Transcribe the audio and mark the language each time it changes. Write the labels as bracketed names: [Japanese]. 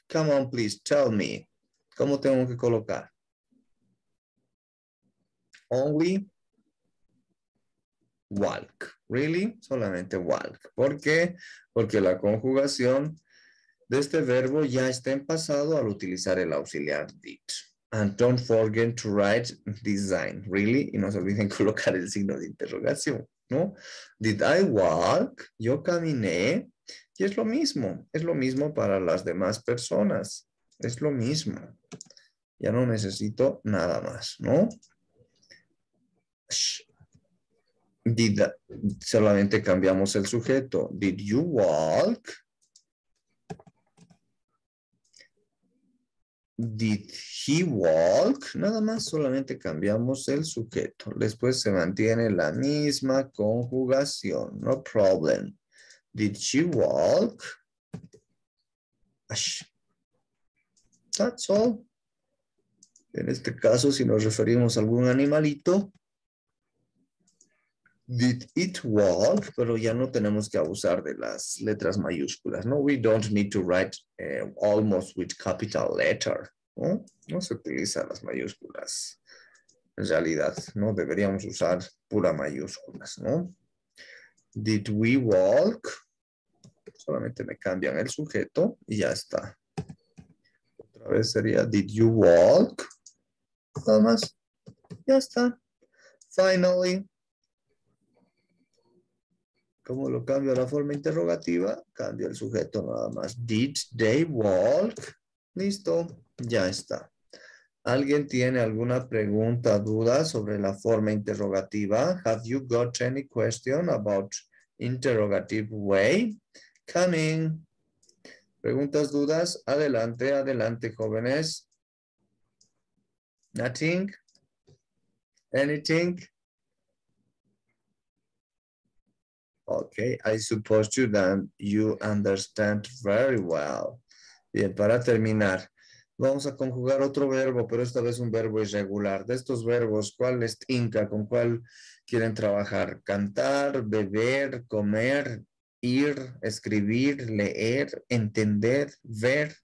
[English] Come on, please, tell me. [Spanish] ¿Cómo tengo que colocar? [English] Only walk. Really? [Spanish] Solamente walk. ¿Por qué? Porque la conjugación de este verbo ya está en pasado al utilizar el auxiliar did. [English] And don't forget to write design. Really? [Spanish] Y no se olviden colocar el signo de interrogación, ¿no? [English] Did I walk? [Spanish] Yo caminé. Y es lo mismo. Es lo mismo para las demás personas. Es lo mismo. Ya no necesito nada más, ¿no? Did, solamente cambiamos el sujeto. [English] Did you walk? Did he walk? [Spanish] Nada más, solamente cambiamos el sujeto. Después se mantiene la misma conjugación. [English] No problem. Did she walk? That's all. [Spanish] En este caso, si nos referimos a algún animalito, [English] did it walk? [Spanish] Pero ya no tenemos que abusar de las letras mayúsculas, ¿no? [English] We don't need to write almost with capital letter, ¿no? [Spanish] No se utilizan las mayúsculas. En realidad, ¿no? Deberíamos usar pura mayúsculas, ¿no? [English] Did we walk? [Spanish] Solamente me cambian el sujeto y ya está. Otra vez sería, [English] did you walk? [Spanish] Nada más. Ya está. Finally. ¿Cómo lo cambio a la forma interrogativa? Cambio el sujeto nada más. [English] Did they walk? [Spanish] Listo, ya está. ¿Alguien tiene alguna pregunta, duda sobre la forma interrogativa? [English] Have you got any question about interrogative way? Come in. [Spanish] ¿Preguntas, dudas? Adelante, adelante, jóvenes. [English] Nothing? Anything? Okay, I suppose you then you understand very well. [Spanish] Bien, para terminar, vamos a conjugar otro verbo, pero esta vez un verbo irregular. De estos verbos, ¿cuál les tinca? ¿Con cuál quieren trabajar? Cantar, beber, comer, ir, escribir, leer, entender, ver.